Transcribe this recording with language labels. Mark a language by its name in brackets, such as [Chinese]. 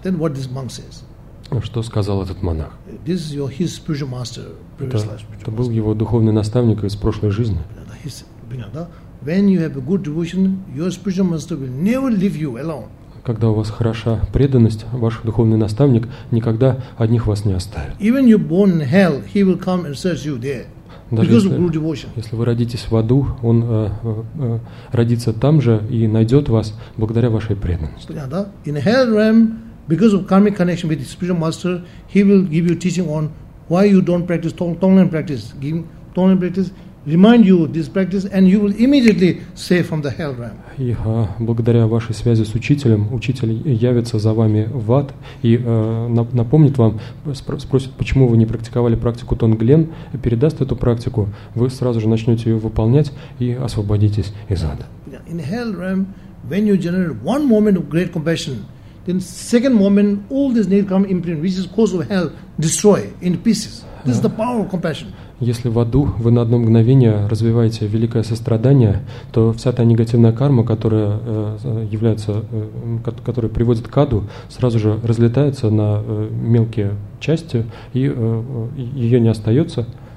[English] Then what this monk says? [Russian] Что сказал этот монах? [English] This is your his spiritual master, previous life spiritual master. [Russian] Это был его духовный наставник из прошлой жизни. [English] When you have a good devotion, your spiritual master will never leave you alone. [Russian] Когда у вас хороша преданность, ваш духовный наставник никогда одних вас не оставит. [English] Even you're born in hell, he will come and search you there. [Russian] Даже [English] because of good devotion. [Russian] Если вы родитесь в аду, он родится там же и найдет вас благодаря вашей преданности. [English] In hell realm, because of karmic connection with the spiritual master, he will give you teaching on why you don't practice tonglen practice. Give tonglen practice. Remind you of this practice, and you will immediately save from the hell realm. [Russian] И благодаря вашей связи с учителем, учитель явится за вами в ад и напомнит вам, спросит, почему вы не практиковали практику тонглен, и передаст эту практику. Вы сразу же начнете ее выполнять и освободитесь из ада. [English] In hell realm, when you generate one moment of great compassion, then second moment, all this need come imprint, which is cause of hell, destroy in pieces. This is the power of compassion. [Russian] Если в аду вы на одно мгновение развиваете великое сострадание, то вся та негативная карма, которая является, которая приводит к аду, сразу же разлетается на мелкие части, и ее не остается.